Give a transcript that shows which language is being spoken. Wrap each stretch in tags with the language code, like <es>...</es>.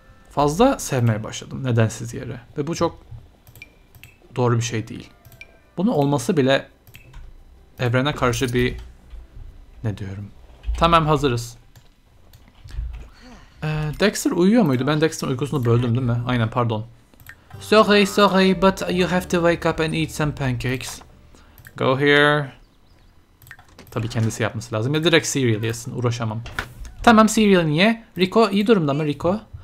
<tr>Fazla sevmeye başladım nedensiz yeri. Ve bu çok doğru bir şey değil. Bunun olması bile evrene karşı bir... Ne diyorum? Tamam, hazırız. Dexter uyuyor muydu? Ben Dexter'ın uykusunu böldüm, değil mi? Aynen, pardon.</tr> <en>Sorry, but you have to wake up and eat some pancakes. Go here.</en> <tr>Tabii kendisi yapması lazım. Ya direkt cereal yesin. Uğraşamam. Tamam, cereal niye? Rico iyi durumda mı Rico?</tr>